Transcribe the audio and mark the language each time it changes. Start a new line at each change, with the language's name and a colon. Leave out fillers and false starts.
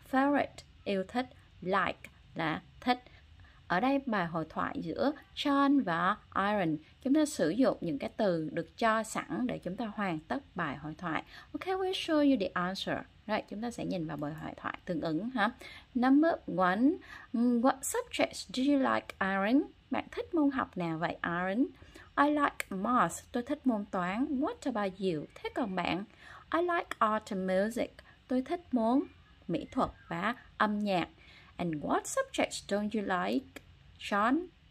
Vietnamese: Favorite, yêu thích. Like là thích. Ở đây bài hội thoại giữa John và Aaron, chúng ta sử dụng những cái từ được cho sẵn để chúng ta hoàn tất bài hội thoại.
English: Ok, we'll show you the answer.
Vietnamese: Rồi, chúng ta sẽ nhìn vào bài hội thoại tương ứng ha.
English: Number one, what subjects do you like, Aaron?
Vietnamese: Bạn thích môn học nào vậy, Aaron?
English: I like math.
Vietnamese: Tôi thích môn toán.
English: What about you?
Vietnamese: Thế còn bạn?
English: I like art and music.
Vietnamese: Tôi thích môn mỹ thuật và âm nhạc.
English: And what subjects don't you like, John?